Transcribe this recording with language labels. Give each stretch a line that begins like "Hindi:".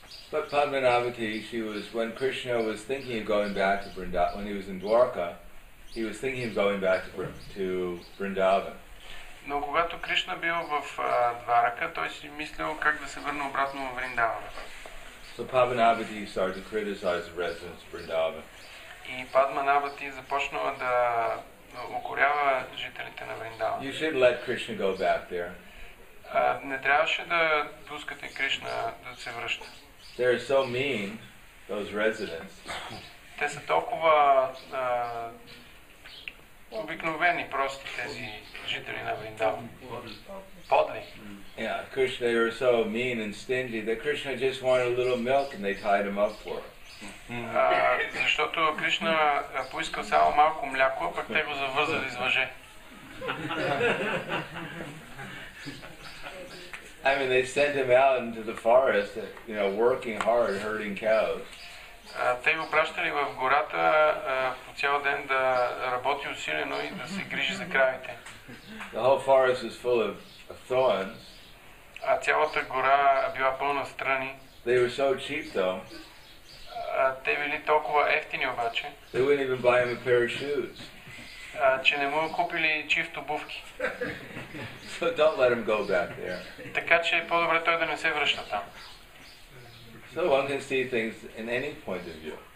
English: But Padmanavati, she was when Krishna was thinking of going back to Vrindavan, when he was in Dwarka, he was thinking of going back to Vrindavan.
Bulgarian: Но когато Кришна бил в Дварака, той си мислил как да се върне обратно в Вриндаван.
English: So Padmanabhati started to criticize the residents of Vrindavan.
Bulgarian: И Падманабхати започнала да укорява жителите на Вриндаван.
English: You shouldn't let Krishna go back there.
Bulgarian: Не трябваше да пускате Кришна да се връща.
English: They are so mean, those residents.
Bulgarian: Те са толкова Обикновени, прости тези жители на Вриндава. Подли.
English: Yeah, Krishna, they were so mean and stingy that Krishna just wanted a little milk and they tied him up for it.
Bulgarian: Защото Кришна поискал само малко мляко, а пък те го завързали с въже.
English: I mean, they sent him out into the forest, you know, working hard, herding cows.
Bulgarian: Те го пращали в гората по цял ден да работи усилено и да се грижи за кравите.
English: The whole forest is full of thorns.
Bulgarian: А цялата гора била пълна с трани.
English: They were so cheap, though.
Bulgarian: Те били толкова евтини обаче.
English: They wouldn't even buy him a pair of shoes.
Bulgarian: Че не му купили чифт обувки.
English: So don't let him go back there.
Bulgarian: Така че по-добре той да не се връща там.
English: So one can see things in any point of view.